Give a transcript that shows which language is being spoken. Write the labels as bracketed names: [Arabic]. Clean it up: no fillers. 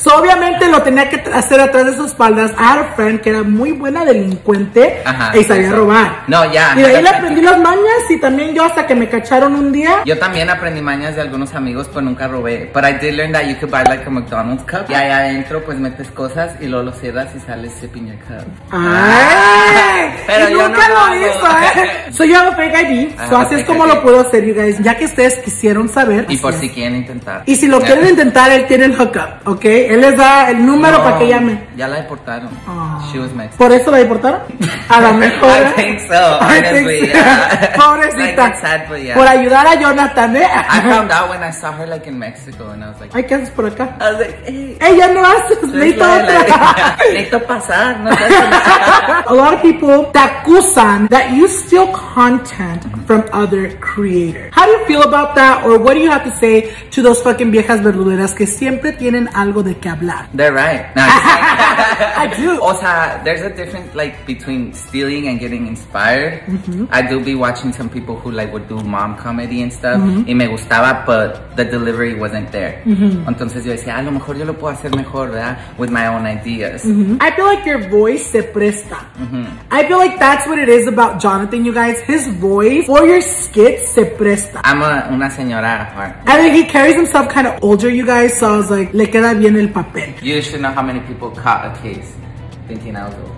[Spanish] So, obviamente lo tenía que hacer atrás de sus espaldas. [English] I had a friend [Spanish] que era muy buena delincuente. Uh-huh, y salí a robar. No, ya. Yeah, y de ahí le aprendí las mañas y también yo hasta que me cacharon un día. Yo también aprendí mañas de algunos amigos, pero nunca robé. [English] But I did learn that you could buy like a McDonald's cup. [Spanish] Y ahí adentro pues metes cosas y luego lo cierras y sale ese piña cup. ¡Ay! Pero yo nunca lo hizo, ¿eh? So yo hago fake ID. So así es como lo puedo hacer, [English] you guys. [Spanish] Ya que ustedes quisieron saber. Y por si quieren intentar. Y si lo quieren intentar, él tiene el hookup, ¿ok? Él les da el número para que llame. Ya la deportaron. [English] She was mixed. [Spanish] ¿Por eso la deportaron? [English] I think so. [Spanish] Pobrecita. [English] Like, sad, but yeah. [Spanish] Por ayudar a Jonathan, ¿eh? [English] I found out when I saw her like in Mexico and I was like, [Spanish] ay, ¿qué haces por acá? [English] I was like, [Spanish] hey, ya no haces, necesito otra. Necesito pasar, no. [English] A lot of people that acusan that you steal content from other creators. How do you feel about that? Or what do you have to say to those fucking [Spanish] viejas verduleras que siempre tienen algo de que hablar? [English] They're right. No, I do. [Spanish] O sea, [English] there's a difference like between stealing and getting inspired. Mm-hmm. I do be watching some people who like would do mom comedy and stuff. Mm-hmm. [Spanish] Y me gustaba, [English] but the delivery wasn't there. Mm-hmm. [Spanish] Entonces yo decía, a lo mejor yo lo puedo hacer mejor, ¿verdad? [English] With my own ideas. Mm-hmm. I feel like your voice [Spanish] se presta. Mm-hmm. [English] I feel like that's what it is about Jonathan, you guys. His voice for your skits [Spanish] se presta. [English] I'm [Spanish] una señora. [English] I mean, he carries himself kind of older, you guys, so I was like, [Spanish] le queda bien el papel. [English] You should know how many people caught a case thinking I was old.